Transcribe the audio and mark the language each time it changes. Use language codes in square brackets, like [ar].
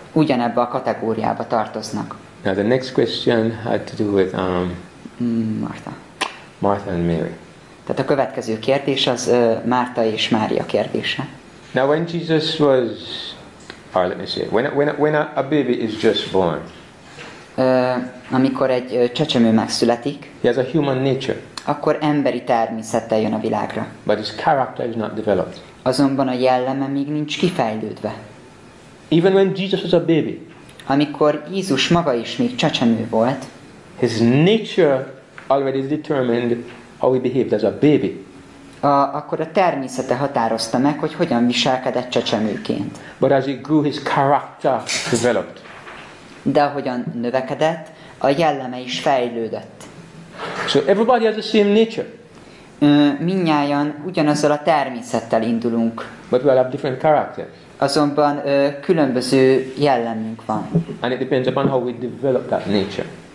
[hu] Ugyanebbe a kategóriába tartoznak. [en] Now the next question had to do with Martha. Martha and Mary. [hu] Tehát a következő kérdés az Márta és Mária kérdése. [en] Now when Jesus was, or let me say, when a baby is just born. [hu] Amikor egy csecsemő megszületik, [en] he has a human nature. [hu] Akkor emberi természettel jön a világra. [en] But his character is not developed. [hu] Azonban a jelleme még nincs kifejlődve. [en] Even when Jesus was a baby, [hu] amikor Jézus maga is még csecsemő volt, [en] his nature already determined how he behaved as a baby. [hu] Akkor a természete határozta meg, hogy hogyan viselkedett csecsemőként. [en] But as he grew, his character developed. [hu] De ahogyan növekedett, a jelleme is fejlődött. [en] So everybody has the same nature. [hu] Mindnyájan ugyanazzal a természettel indulunk. [en] But we all have different characters. [hu] Azonban különböző jellemünk van. [en] And it depends upon how we develop that nature.